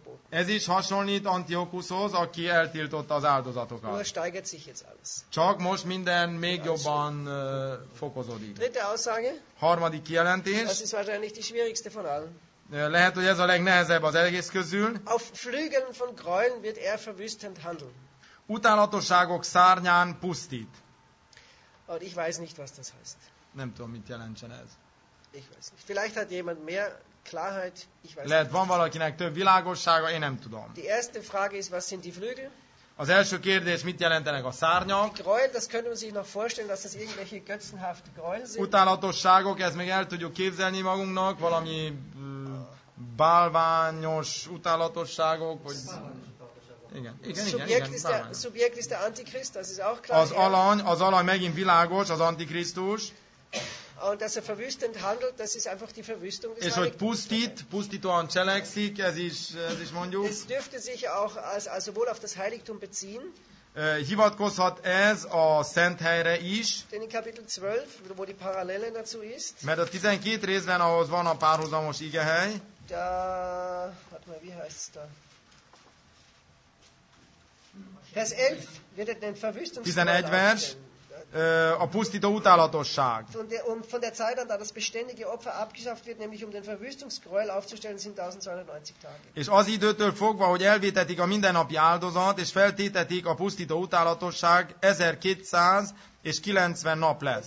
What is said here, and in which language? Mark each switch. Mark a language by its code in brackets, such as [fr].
[hu] Ez is hasonlít Antiochushoz, aki eltiltotta az áldozatokat. Csak most minden még jobban fokozódik. Harmadik kijelentés. [de] Das ist wahrscheinlich die schwierigste von allen. [hu] Lehet, hogy ez a legnehezebb az egész közül. [de] Auf Flügeln von Gräueln wird er verwüstend handeln. [hu] Utálatosságok szárnyán pusztít. [de] Und ich weiß nicht, was das heißt. [hu] Nem tudom, mit jelentsen ez. [de] Ich weiß nicht. Vielleicht hat jemand mehr Klarheit. Ich weiß [hu] lehet, van valakinek több világossága, én nem tudom. [de] Die erste Frage ist, was sind die Flügel? [hu] Az első kérdés, mit jelentenek a szárnyak? [de] Gräuel, das können wir sich noch vorstellen, dass das irgendwelche götzenhafte Gräuel sind. [hu] Utálatosságok, ezt még el tudjuk képzelni magunknak, valami bálványos utálatosságok, vagy... Igen. [de] Subjekt ist der Antichrist, das ist auch klar. [hu] Az alany megint világos, az Antikrisztus. [de] Und dass er verwüstend handelt, das ist einfach die Verwüstung des Heiligtums. [hu] És hogy pusztítóan cselekszik, ez is mondjuk. [de] Es dürfte sich auch sowohl auf das Heiligtum beziehen. [hu] Hivatkozhat ez a szent helyre is. [de] Denn in Kapitel 12, wo die Parallele dazu ist. [hu] Mert a 12 részben, ahhoz van a párhuzamos igehely. [de] Da, warte mal, wie heißt es da? Vers 11, wird er den Verwüstungsort aufstellen. 11 vers. [hu] A pusztító utálatosság. [de] Von der Zeit an, da das beständige Opfer abgeschafft wird, nämlich um den Verwüstungsgräuel aufzustellen, sind 1290 Tage. [hu] És az időtől fogva, hogy elvétetik a mindennapi áldozat, és feltétetik a pusztító utálatosság, 1290 nap lesz.